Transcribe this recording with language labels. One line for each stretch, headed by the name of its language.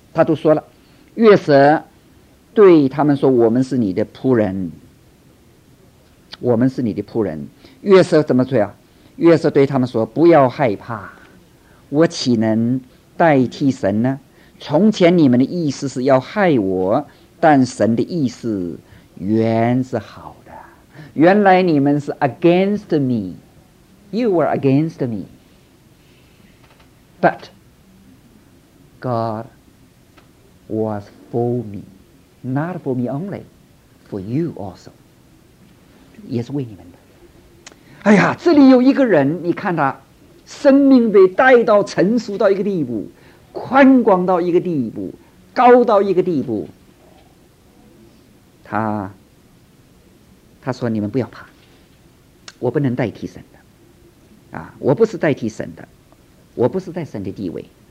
Chinese: 他都说了，约瑟对他们说，我们是你的仆人，我们是你的仆人。约瑟怎么说啊？约瑟对他们说，不要害怕，我岂能代替神呢？从前你们的意思是要害我，但神的意思原是好的。
English: 原来你们是 against me， you were against me， but God was for me， not for me only， for you also，也是为你们的。
Chinese: 哎呀，这里有一个人，你看他生命被带到成熟到一个地步，宽广到一个地步，高到一个地步，他说你们不要怕，我不能代替神的啊，我不是代替神的，我不是在神的地位。